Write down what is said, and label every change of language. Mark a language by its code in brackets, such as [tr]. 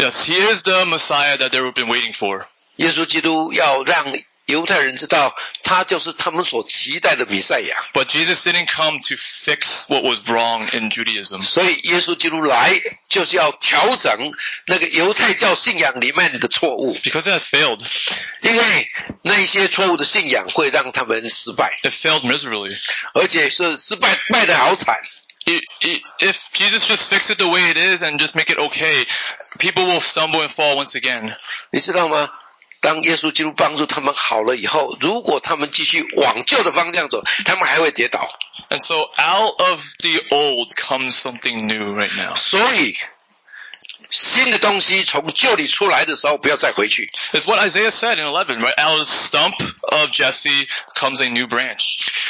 [en] Yes, he is the Messiah that they have been waiting for. [zh] 耶稣基督要让 犹太人知道他就是他们所期待的弥赛亚。 [en] But Jesus didn't come to fix what was wrong in Judaism. [zh] 所以耶稣基督来就是要调整那个犹太教信仰里面的错误。 [en] Because it has failed. [zh] 因为那些错误的信仰会让他们失败。 [en] It failed miserably. [zh] 而且是失败败得好惨。 [en] if Jesus just fix it the way it is and just make it okay, people will stumble and fall once again. [zh] 你知道吗? 当耶稣基督帮助他们好了以后，如果他们继续往旧的方向走，他们还会跌倒。 [en] And so out of the old comes something new right now. [zh] 所以 新的东西从旧里出来的时候，不要再回去。 [en] It's what Isaiah said in 11, right? Out of the stump of Jesse comes a new branch.